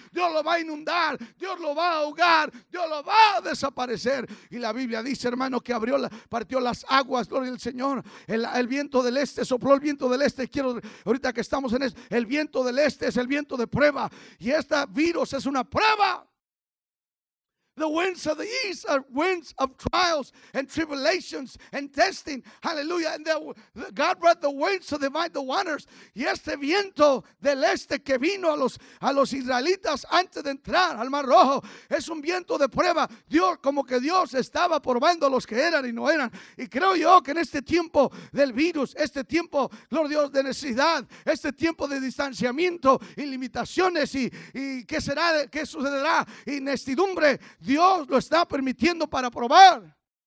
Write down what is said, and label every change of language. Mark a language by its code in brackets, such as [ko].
[es] Dios lo va a inundar, Dios lo va a ahogar, Dios lo va a desaparecer. Y la Biblia dice, hermano, que partió las aguas, gloria al Señor. El viento del este, sopló el viento del este. Quiero, ahorita que estamos en eso, el viento del este es el viento de prueba. Y esta virus es una prueba. [en] The winds of the east are winds of trials and tribulations and testing. Hallelujah. And God brought the winds to divide the waters. [es] Y este viento del este que vino a los israelitas antes de entrar al Mar Rojo es un viento de prueba. Dios, como que Dios estaba probando a los que eran y no eran. Y creo yo que en este tiempo del virus, este tiempo, gloria a Dios, de necesidad, este tiempo de distanciamiento y limitaciones y qué será, qué sucederá, inestidumbre, Dios lo está permitiendo para probar